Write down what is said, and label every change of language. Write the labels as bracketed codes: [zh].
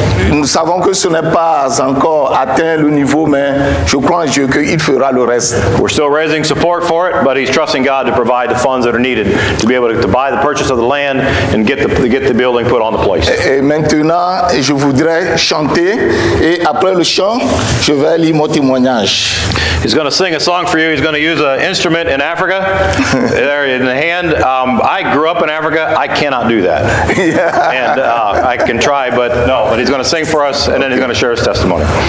[fr] Nous savons que ce n'est pas encore atteint le niveau, mais je crois en Dieu qu'il fera le reste. [en] We're still raising support for it, but he's trusting God to provide the funds that are needed to be able to buy the purchase of the land and get the building put on the place. [fr] Et maintenant, je voudrais chanter et après le chant, je vais lire mon témoignage. [en] He's going to sing a song for you. He's going to use an instrument in Africa. There in the hand. I grew up in Africa. I cannot do that. Yeah. And I can try, but no. But he's going to sing for us, and okay. Then he's going to share his testimony.